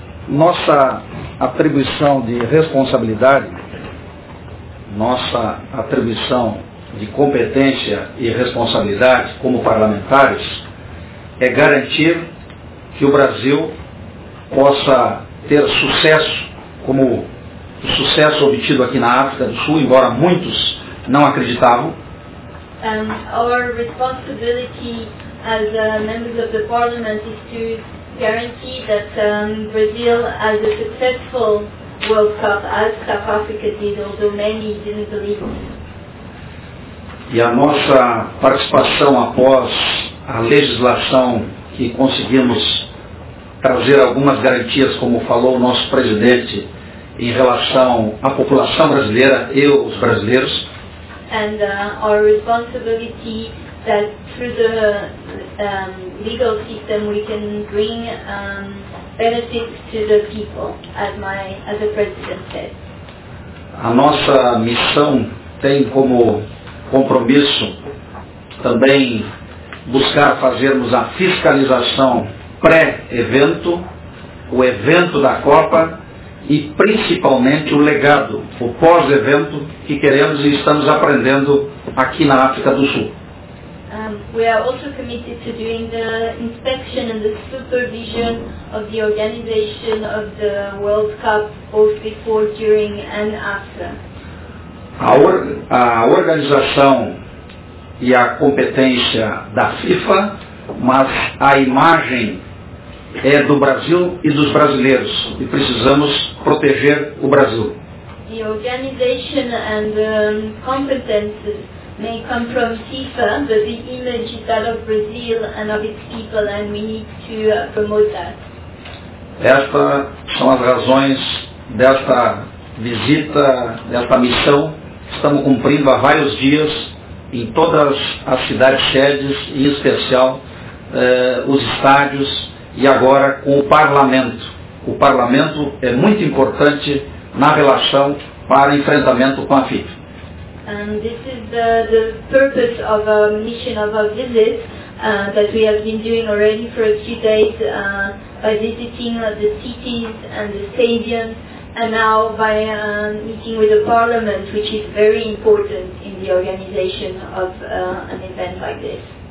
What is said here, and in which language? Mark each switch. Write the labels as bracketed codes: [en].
[pt] Nossa atribuição de responsabilidade, nossa atribuição de competência e responsabilidade como parlamentares é garantir que o Brasil possa ter sucesso como o sucesso obtido aqui na África do Sul, embora muitos não acreditavam. [en] Our responsibility as members of the parliament is to guarantee that Brazil has a successful World Cup as South Africa did, although many didn't believe. [pt] E a nossa participação após a legislação que conseguimos trazer algumas garantias, como falou o nosso presidente, em relação à população brasileira e os brasileiros. [en] And our responsibility that through the legal system we can bring benefits to the people, as the president said. [pt] A nossa missão tem como compromisso também buscar fazermos a fiscalização pré-evento, o evento da Copa e principalmente o legado, o pós-evento que queremos e estamos aprendendo aqui na África do Sul. [en] We are also committed to doing the inspection and the supervision of the organization of the World Cup, both before, during and after. [pt] A organização e a competência da FIFA, mas a imagem é do Brasil e dos brasileiros, e precisamos proteger o Brasil. [en] The organization and competences may come from FIFA, but the image is that of Brazil and of its people, and we need to promote that. [pt] Estas são as razões desta visita, desta missão, que estamos cumprindo há vários dias em todas as cidades-sedes, em especial os estádios e agora com o Parlamento. O Parlamento é muito importante na relação para enfrentamento com a FIFA. [en] And this is the purpose of our mission, of our visit, that we have been doing already for a few days, by visiting the cities and the stadiums, and now by meeting with the parliament, which is very important in the organization of an event like this.